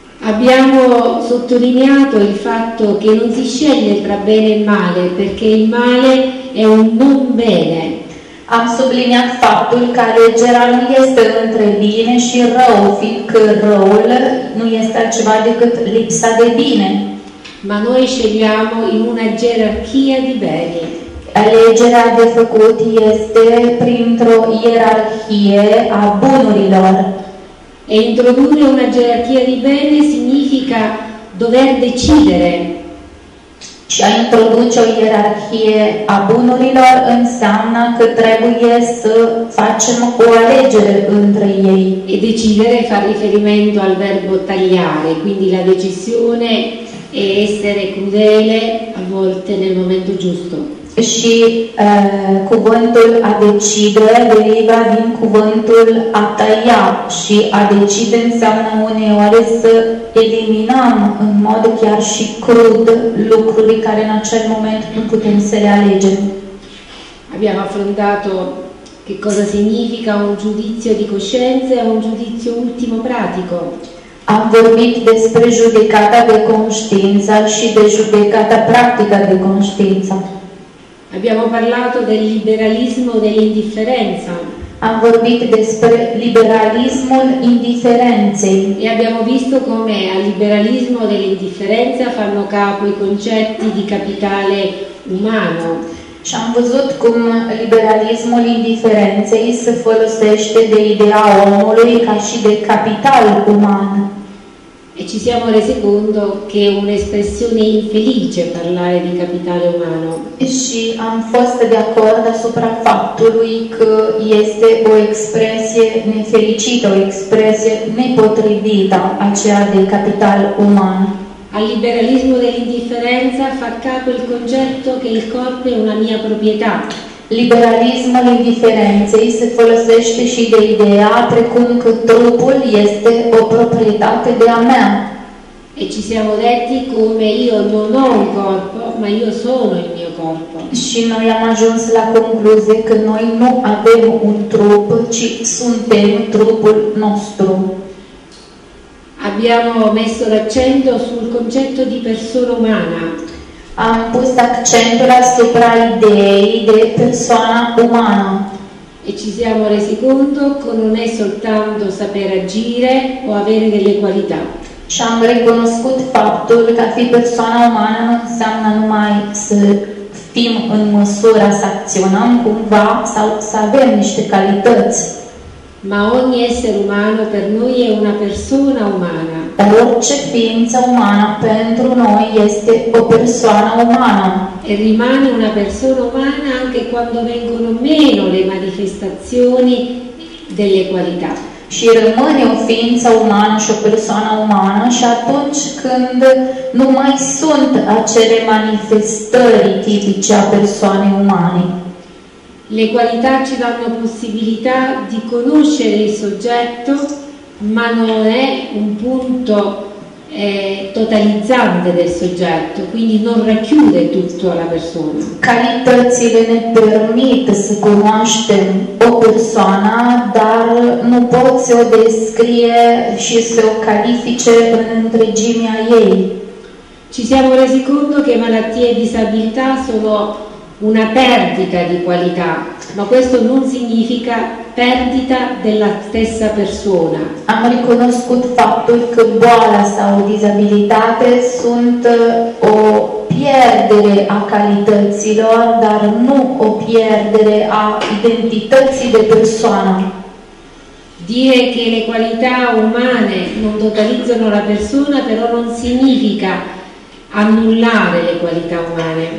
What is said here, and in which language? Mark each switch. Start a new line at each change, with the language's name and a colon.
Italian: Abbiamo sottolineato il fatto che non si sceglie tra bene e male, perché il male è un non bene.
Romanian: Am subliniat faptul că alegerea nu este între bine și rău, fiindcă răul nu este altceva decât lipsa de bine.
Italian: Ma noi scegliamo in una gerarchia di beni.
Romanian: Alegerea de făcut este printr-o ierarhie a bunurilor.
Italian: E introdurre una gerarchia di beni significa dover decidere.
Romanian: Și a introduce o ierarhie a bunurilor înseamnă că trebuie să facem o alegere între ei.
Italian: E decidere fa riferimento al verbo tagliare, quindi la decisione è essere crudele a volte nel momento giusto.
Romanian: Și cuvântul a decide deriva din cuvântul a taia și a decide înseamnă uneori să eliminăm în mod chiar și crud lucrurile care în acel moment nu putem să le alegem.
Italian: Abbiamo affrontato che cosa significa un giudizio di coscienza e un giudizio ultimo pratico.
Romanian: Am vorbit despre judecata de conștiință și de judecata practică de conștiință.
Italian: Abbiamo parlato del liberalismo dell'indifferenza.
Romanian: Am vorbit despre liberalismul indiferenței.
Italian: E abbiamo visto come al liberalismo dell'indifferenza fanno capo i concetti di capitale umano.
Romanian: Și am văzut cum liberalismul indiferenței se folosește de ideea omului ca și de capital uman.
Italian: E ci siamo resi conto che è un'espressione infelice parlare di capitale umano.
Romanian: E ci am fost de acordo asupra faptului că este o expresie nefericită, o expresie nepotrivită aceea de capital uman.
Italian: Al liberalismo dell'indifferenza fa capo il concetto che il corpo è una mia proprietà. Liberalismo dell'indifferenza
Romanian: se folosește și de ideea precum că trupul este o proprietate de a mea.
Italian: E ci siamo detti come io non ho un corpo, ma io sono il mio corpo.
Romanian: Și noi am ajuns la concluzie că noi nu avem un trup, ci suntem trupul nostru.
Italian: Abbiamo messo l'accento sul concetto di persona umana.
Romanian: Am pus accento asupra ideii de persoana umană.
Italian: E ci siamo resi conto che non è soltanto saper agire o avere delle qualità.
Romanian: Și am recunoscut faptul că a fi persoana umană nu înseamnă numai să fim în măsură să acționăm cumva sau să avem niște calități.
Italian: Ma ogni essere umano per noi è una persona umana.
Romanian: Dar orice ființă umană pentru noi este o persoană umană.
Italian: E rimane una persona umana anche quando vengono meno le manifestazioni delle qualità.
Romanian: Și rămâne o ființă umană și o persoană umană și atunci când nu mai sunt acele manifestări tipice a persoanei umane.
Italian: Le qualità ci danno possibilità di conoscere il soggetto, ma non è un punto totalizzante del soggetto, quindi non racchiude tutto la persona.
Romanian: Calitățile ne permit să cunoaștem o persoană, dar nu pot să o descrie și să o califice în întregimea ei.
Italian: Ci siamo resi conto che malattie e disabilità sono una perdita di qualità, ma questo non significa perdita della stessa persona.
Romanian: Am riconosciut faptul că boala sau disabilitate sunt o pierdere a calităților, dar nu o pierdere a identității de persoană.
Italian: Dire che le qualità umane non totalizzano la persona però non significa annullare le qualità umane.